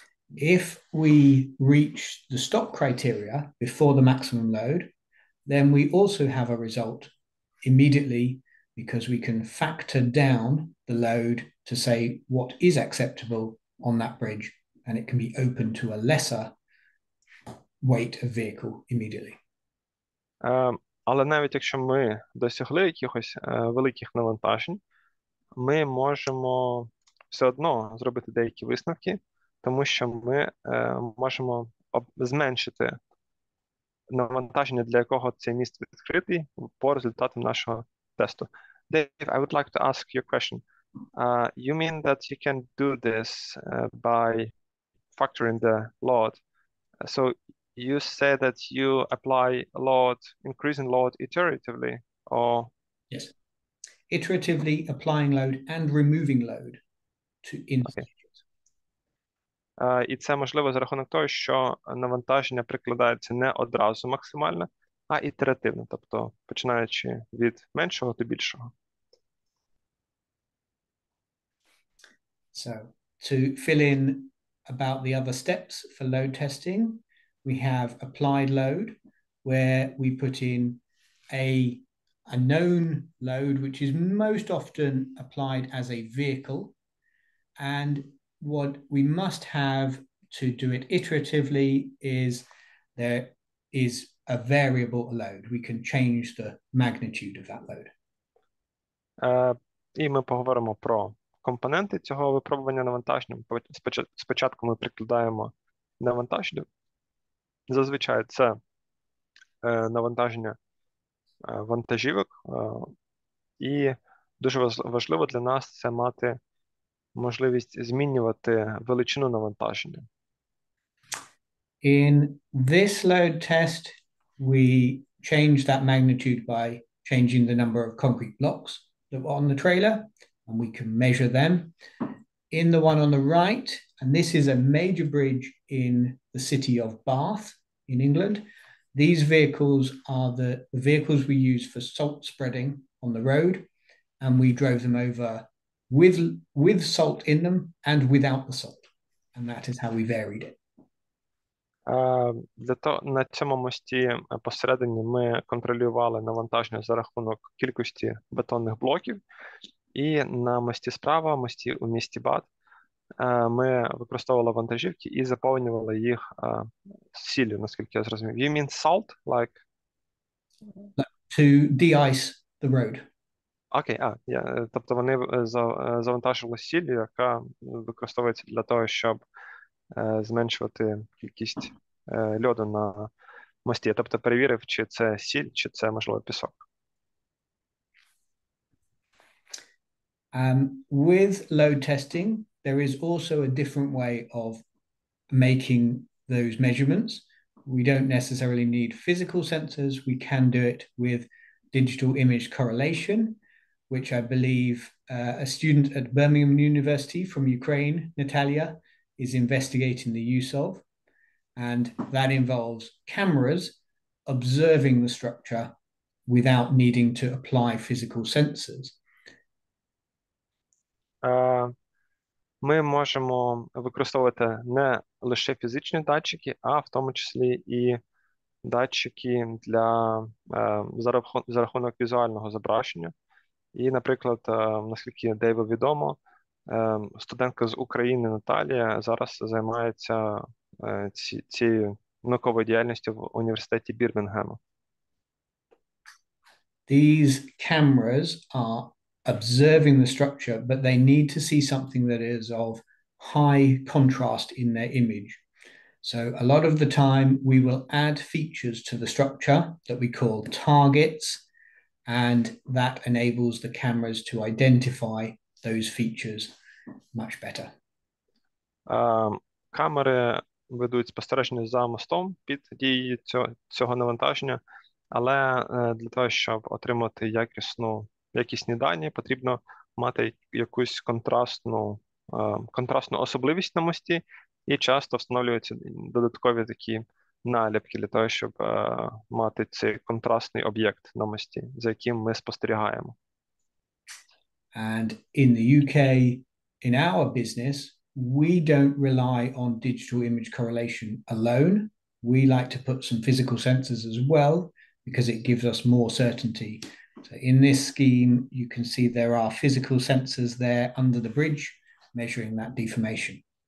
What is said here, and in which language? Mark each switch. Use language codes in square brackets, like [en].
[en] If we reach the stop criteria before the maximum load, then we also have a result immediately because we can factor down the load to say what is acceptable on that bridge, and it can be open to a lesser weight of vehicle immediately. [uk] Але навіть якщо ми досягли якихось великих навантажень, ми можемо все одно зробити деякі висновки, тому що ми можемо зменшити навантаження, для якого цей міст відкритий, по результатам нашого тесту. [en] Dave, I would like to ask you a question. You mean that you can do this by factoring the load? So you say that you apply load, increasing load iteratively, or? Yes, iteratively applying load and removing load to in okay. [uk] І це можливо за рахунок того, що навантаження прикладається не одразу максимально, а ітеративно, тобто починаючи від меншого до більшого. [en] So, to fill in about the other steps for load testing, we have applied load, where we put in a known load, which is most often applied as a vehicle. And what we must have to do it iteratively is there is a variable load. We can change the magnitude of that load. [uk] І ми поговоримо про компоненти цього випробування навантаженням. Спочатку ми прикладаємо навантаження. Зазвичай це навантаження вантажівок. І дуже важливо для нас це мати можливість змінювати величину навантаження. [en] In this load test, we change that magnitude by changing the number of concrete blocks that were on the trailer, and we can measure them. In the one on the right, and this is a major bridge in the city of Bath in England, these vehicles are the vehicles we use for salt spreading on the road, and we drove them over with salt in them and without the salt, and that is how we varied it. [uk] Для того, на цьому мості посередині ми контролювали навантаження за рахунок кількості бетонних блоків, і на мості справа, мості у місті Бат, ми використовували вантажівки і заповнювали їх сіллю, наскільки я зрозумів. [en] You mean salt? Like... To de-ice the road. [uk] Окей, тобто вони завантажували сіллю, яка використовується для того, щоб зменшувати кількість льоду на мості, тобто перевірив, чи це сіль, чи це, можливо, пісок. [en] With load testing, there is also a different way of making those measurements. We don't necessarily need physical sensors. We can do it with digital image correlation, which I believe a student at Birmingham University from Ukraine, Natalia, is investigating the use of, and that involves cameras observing the structure without needing to apply physical sensors. [uk] Ми можемо використовувати не лише фізичні датчики, а в тому числі і датчики для за рахунок візуального зображення. І, наприклад, наскільки Дейву відомо, студентка з України Наталія зараз займається цією науковою діяльністю в університеті Бірмінгема. [en] These cameras are observing the structure, but they need to see something that is of high contrast in their image. So a lot of the time we will add features to the structure that we call targets, and that enables the cameras to identify those features much better. [uk] Камери ведуть спостереження за мостом під дією цього навантаження, але для того, щоб отримати якісні дані, потрібно мати якусь контрастну особливість на мості, і часто встановлюються додаткові такі наліпки для того, щоб мати цей контрастний об'єкт на мості, за яким ми спостерігаємо. [en] And in the UK, in our business, we don't rely on digital image correlation alone. We like to put some physical sensors as well, because it gives us more certainty. So in this scheme, you can see there are physical sensors there under the bridge measuring that deformation.